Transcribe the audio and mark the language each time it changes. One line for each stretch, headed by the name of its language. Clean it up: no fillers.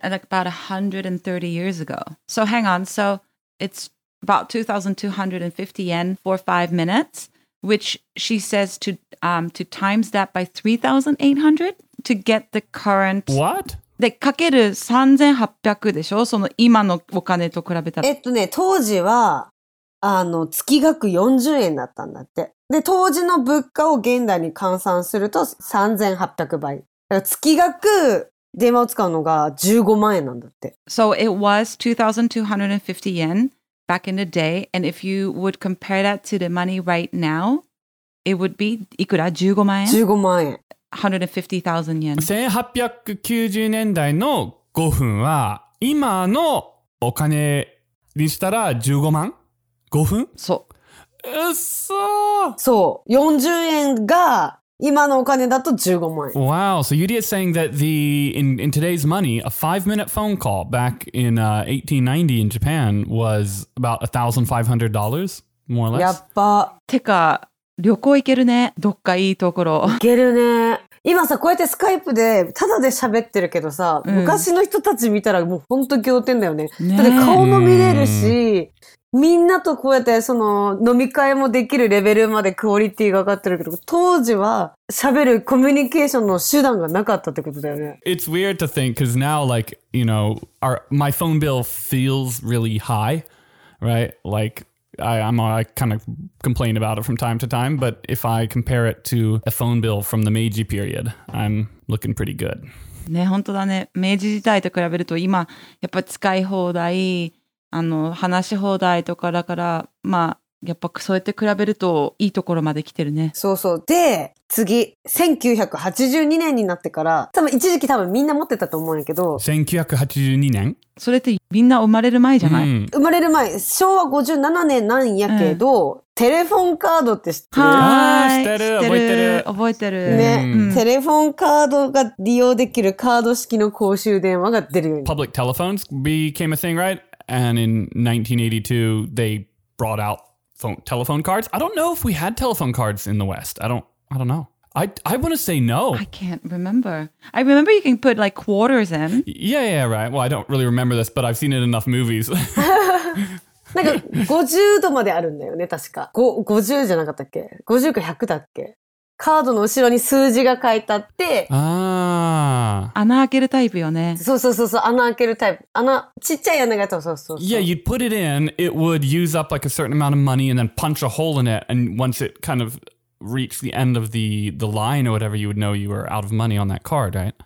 English: like about 130 years ago so hang on soIt's about 2,250 yen for 5 minutes, which she says to times that by 3,800 to get the current... What?
Japanese: で、かける3,800でしょ？その今のお金と比べたら。ね、当時は、月額40円だったんだって。で、当時の物価を現代に換算すると3,800倍。だから月額、電話を使うのが15万円なんだって。
English: So it was 2,250 yen back in the day, and if you would compare that to the money right now, it would be
Japanese: いくら15万円 ?15 万円。
English: 150,000 yen.
Japanese: 1890年代の5分は今のお金にしたら15万 ?5 分そう。うっそー。そう。 40円が今のお金だと15万円。
English: Wow, so Yuri is saying that the, in today's money, a 5-minute phone call back in 1890 in Japan was about $1,500, more or less.
Japanese: やっぱ。てか、旅行行けるね。どっかいいところ。行けるね。今さ、こうやってスカイプで、ただで喋ってるけどさ、うん、昔の人たち見たらもうほんと仰天だよね。ねだって顔も見れるし、みんなとこうやってその飲み会もできるレベルまでクオリティが上がってるけど、当時は喋るコミュニケーションの手段がなかったってことだよね。
English: It's weird to think, cause now like, you know, my phone bill feels really high, right? Like,I kind of complain about it from time to time, but if I compare it to a phone bill from the Meiji period, I'm looking pretty good.
Japanese: ね、本当だね。明治時代と比べると今、やっぱ使い放題、あの、話し放題とかだから、まあ、やっぱそうやって比べるといいところまで来てるね。そうそう。で、次、1982年になってから、多分一時期多分みんな持ってたと思うんやけど。 1982年？それってみんな生まれる前じゃない？うん、生まれる前、昭和57年なんやけど、うん、テレフォンカードって知ってる？はーい。知ってる、覚えてる。覚えてる。ね、うん。テレフォンカードが利用できるカード式の公衆電話が出るように。
English: Public telephones became a thing, right? And in 1982, they brought outTelephone cards? I don't know if we had telephone cards in the West. I don't know. I want to say no. I can't remember. I remember you can put like quarters in. Yeah, yeah, right. Well, I don't really remember this, but I've seen it in enough movies.
Japanese: なんか50度まであるんだよね、確か。50じゃなかったっけ ?50 か100だっけカードの後ろに数字が書いてあって。穴開けるタイプよね。そうそうそう、穴開けるタイプ。穴、ちっちゃい穴がと、そうそうそう。
English: Yeah, you'd put it in, it would use up like a certain amount of money and then punch a hole in it, and once it kind of reached the end of the line or whatever, you would know you were out of money on that card, right?